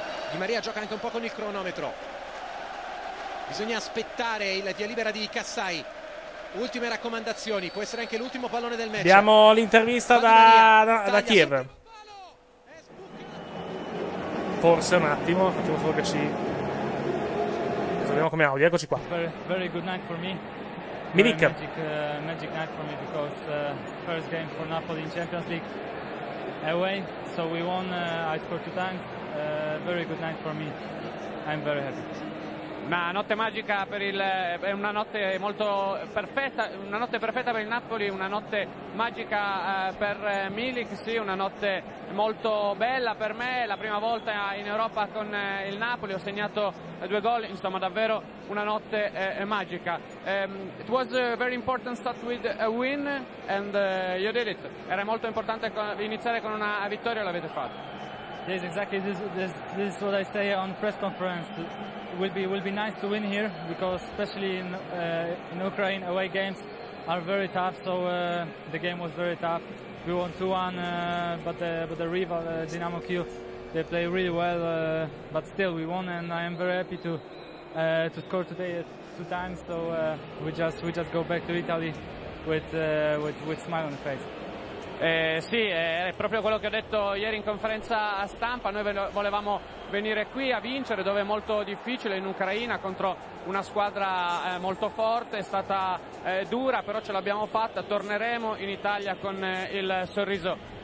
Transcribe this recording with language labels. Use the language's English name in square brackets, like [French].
[Italian] Di Maria gioca anche un po' con il cronometro. Bisogna aspettare il via libera di Kassai. Ultime raccomandazioni, può essere anche l'ultimo pallone del match. Abbiamo l'intervista da Kiev. Forse un attimo, facciamo solo che ci troviamo come audio, eccoci qua. [English] Very good night for me. Milik. Magic night for me, because first game for Napoli in Champions League away, so we won, I scored 2 times, very good night for me, I'm very happy. [Italian] Una notte magica per il, è una notte molto perfetta, una notte perfetta per il Napoli, una notte magica per Milik, sì, una notte molto bella per me, la prima volta in Europa con il Napoli, ho segnato 2 gol, insomma davvero una notte magica. [English] It was a very important start with a win and you did it. [Italian] Era molto importante iniziare con una vittoria e l'avete fatto. [English] Yes, exactly. This is what I say on press conference. Will be nice to win here, because especially in Ukraine away games are very tough. So the game was very tough. we won 2-1, but the rival Dynamo Kyiv, they play really well, but still we won, and I am very happy to score today 2 times. So we just go back to Italy with smile on the face. [Italian] Sì, è proprio quello che ho detto ieri in conferenza stampa. Noi volevamo venire qui a vincere, dove è molto difficile, in Ucraina, contro una squadra molto forte. È stata dura, però ce l'abbiamo fatta. Torneremo in Italia con il sorriso.